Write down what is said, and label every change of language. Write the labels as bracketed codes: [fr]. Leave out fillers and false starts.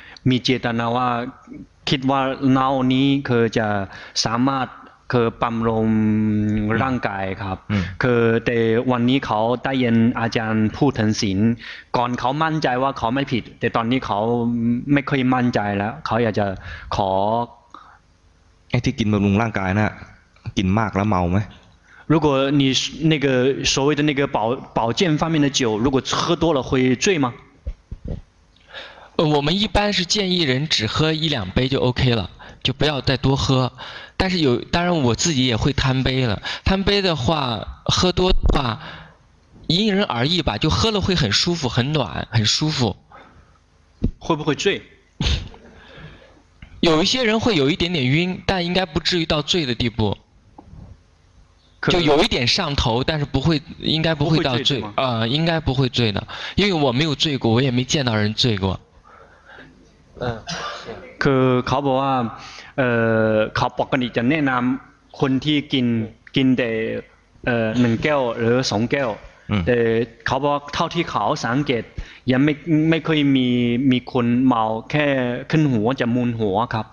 [th] มีเจตนาว่าคิดว่าเรานี้คือจะสามารถคือปั๊มลมร่างกายครับคือแต่วันนี้เขาได้ยินอาจารย์พูดถึงศีลก่อนเขามั่นใจว่าเขาไม่ผิดแต่ตอนนี้เขาไม่เคยมั่นใจแล้วเขาอยากจะขอ ไอ้ที่กินบำรุงร่างกายนะกินมากแล้วเมาไหม [zh] 如果你那个所谓的那个保健方面的酒，如果喝多了会醉吗？我们一般是建议人只喝一两杯就 OK 了，就不要再多喝。但是有，当然我自己也会贪杯了。贪杯的话，喝多的话，因人而异吧。就喝了会很舒服，很暖，很舒服。会不会醉？有一些人会有一点点晕，但应该不至于到醉的地步。就有一点上头，但是不会，应该不会到醉，应该不会醉的，因为我没有醉过，我也没见到人醉过。 [th] คือเขาบอกว่าเขาปกติจะแนะนำคนที่กินแต่หนึ่งแก้วหรือสองแก้วแต่เขาบอกเท่าที่เขาสังเกตยังไม่เคยมีคนเมาแค่ขึ้นหัวจะมึนหัวครับ